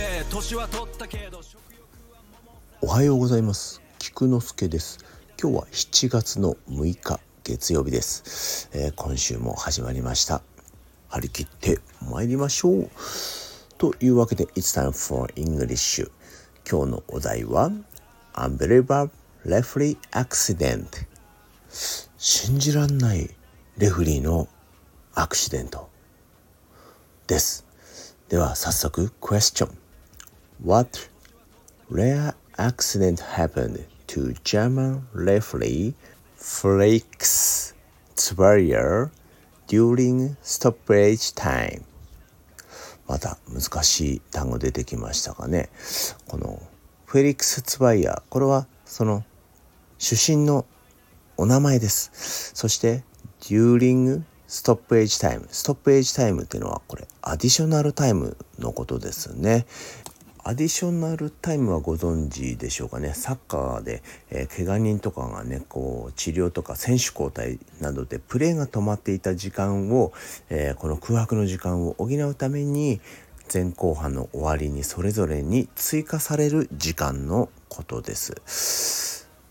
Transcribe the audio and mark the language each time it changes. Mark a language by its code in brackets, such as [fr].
[ja] 年は取ったけど食欲はおはようございます。菊之助です。今日は7月の6日月曜日です。今週も始まりました。張り切って参りましょう。というわけで [en] It's time for English。 [ja] 今日のお題は [en] Unbelievable Referee Accident。 [ja] 信じらんないレフリーのアクシデントです。では早速クエスチョン。 [en] What rare accident happened to German referee Felix Zweier during stoppage time？ [ja] また難しい単語出てきましたかね。このフェリックス・ツバイヤー、これはその主審のお名前です。そして [en] During stoppage time。 [ja] stoppage time っていうのはこれアディショナルタイムのことですね。アディショナルタイムはご存知でしょうかね。サッカーで、怪我人とかがね、こう治療とか選手交代などでプレーが止まっていた時間を、この空白の時間を補うために前後半の終わりにそれぞれに追加される時間のことです。